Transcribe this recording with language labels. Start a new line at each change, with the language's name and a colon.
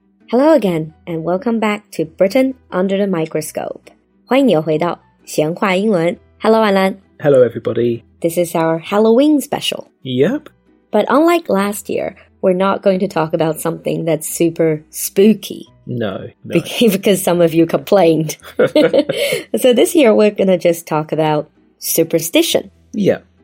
English: Hello again, and welcome back to Britain Under the Microscope.
Chinese: 欢迎你又回到闲话英文。
English: Hello, Alan. Hello, everybody. This is our Halloween special. Yep. But unlike last year, we're not going to talk about something that's super spooky. No. Because some of you complained. So this year, we're going to just talk about superstition. Yeah.